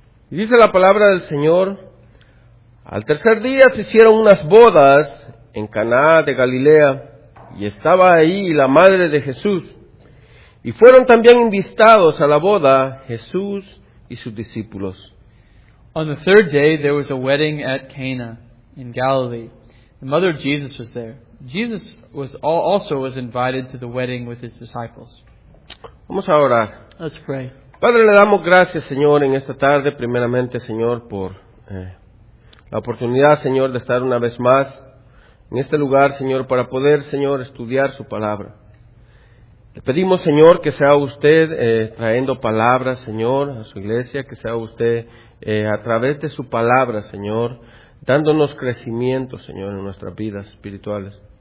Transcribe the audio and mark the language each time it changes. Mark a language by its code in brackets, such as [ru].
[es] Y dice la palabra del Señor: al tercer día se hicieron unas bodas en Caná de Galilea, y estaba ahí la madre de Jesús. Y fueron también invitados a la boda Jesús y sus discípulos. [en] On the third day there was a wedding at Cana in Galilee. The mother of Jesus was there. Jesus was also invited to the wedding with his disciples. [es] Vamos a orar. [en] Let's pray. [es] Padre, le damos gracias, Señor, en esta tarde, primeramente, Señor, por la oportunidad, Señor, de estar una vez más en este lugar, Señor, para poder, Señor, estudiar su palabra. Le pedimos, Señor, que sea usted trayendo palabras, Señor, a su iglesia, que sea usted a través de su palabra, Señor, dándonos crecimiento, Señor, en nuestras vidas espirituales.